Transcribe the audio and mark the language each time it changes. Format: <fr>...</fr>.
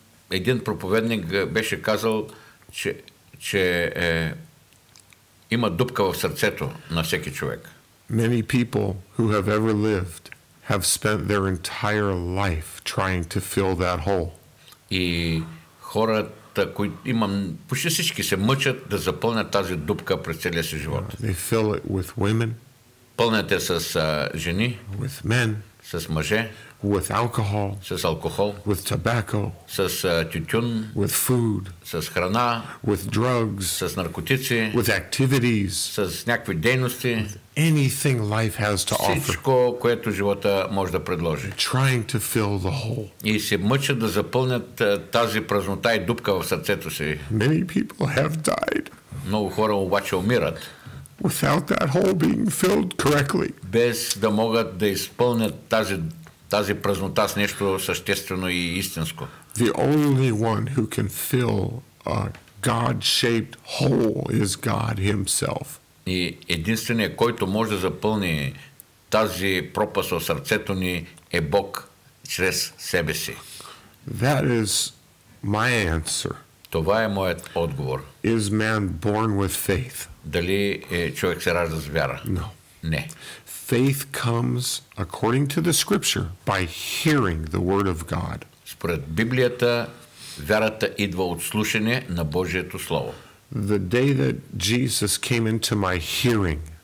<bg>Един проповедник беше казал, че има дупка в сърцето на всеки човек.</bg> <en>Many people who have ever lived have spent their entire life trying to fill that hole.</en> <bg>И хората, които имам, почти всички се мъчат да запълнят тази дупка през целия си живот.</bg> <en>They fill it with women.</en> <bg>Пълнят с жени.</bg> <en>With men.</en> <bg>С мъже.</bg> <en>With alcohol.</en> <bg>С алкохол.</bg> <en>With tobacco.</en> <bg>С тютюн.</bg> <en>With food.</en> <bg>С храна.</bg> <en>With drugs.</en> <bg>С наркотици.</bg> <en>With activities.</en> <bg>С някакви дейности.</bg> <en>Anything life has to offer.</en> <bg>Всичко, което живота може да предложи.</bg> <en>Trying to fill the hole.</en> <bg>И се мъчат да запълнят тази празнота и дупка в сърцето си.</bg> <en>Many people have died.</en> <bg>Много хора обаче умират.</bg> <en>Without that hole being filled correctly.</en> <bg>Без да могат да изпълнят тази празнота с нещо съществено и истинско.</bg> <en>The only one who can fill a God-shaped hole is God himself.</en> <bg>И единственият, който може да запълни тази пропаст в сърцето ни е Бог чрез себе си.</bg> <en>That is my answer.</en> <bg>Това е моят отговор.</bg> <en>Is man born with faith?</en> <bg>Дали е човек се ражда с вяра?</bg> <en>No.</en> <bg>Не.</bg> <en>Faith comes according to the scripture by hearing the word of God.</en> <bg>Според Библията вярата идва от слушане на Божието слово.</bg> <en>The day that Jesus came into my hearing.</en>